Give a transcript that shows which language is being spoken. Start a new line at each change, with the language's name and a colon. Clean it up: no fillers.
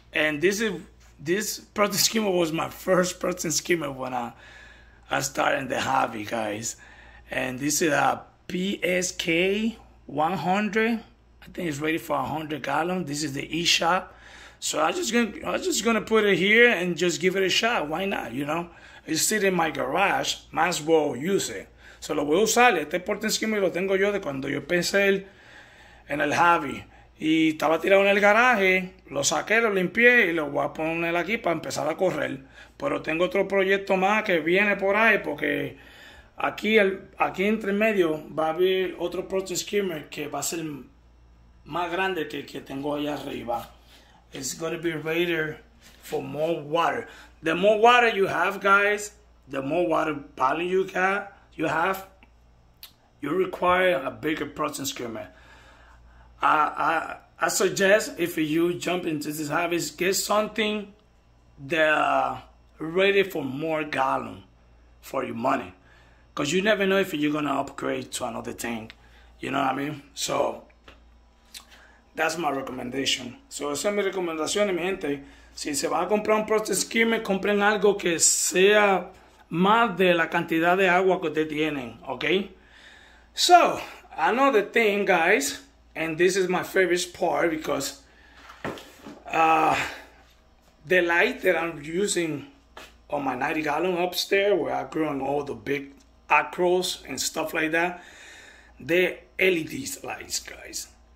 English: And this protein skimmer was my first protein skimmer when I started in the hobby, guys. And this is a PSK 100. I think it's ready for 100 gallons. This is the e-shop. So I'm just gonna put it here and just give it a shot. Why not, you know? It's sitting in my garage, might as well use it.
Spanish: So lo voy a usar, este protein skimmer lo tengo yo de cuando yo empecé en el hobby. Y estaba tirado en el garaje, lo saqué, lo limpié y lo voy a poner aquí para empezar a correr. Pero tengo otro proyecto más que viene por ahí, porque aquí entre medio va a haber otro protein skimmer que va a ser más grande que el que tengo allá arriba.
English: It's going to be greater for more water. The more water you have, guys, the more water poly you have, you require a bigger protein skimmer. I suggest if you jump into this hobby, get something that ready for more gallon for your money. Because you never know if you're going to upgrade to another tank. You know what I mean? So that's my recommendation.
Spanish: So esa es mi recomendación, mi gente. Si se van a comprar un protein skimmer, compren algo que sea más de la cantidad de agua que ustedes tienen, okay?
English: So, another thing, guys, and this is my favorite part, because the light that I'm using on my 90 gallon upstairs, where I grew on all the big acros and stuff like that, they're LED lights, guys.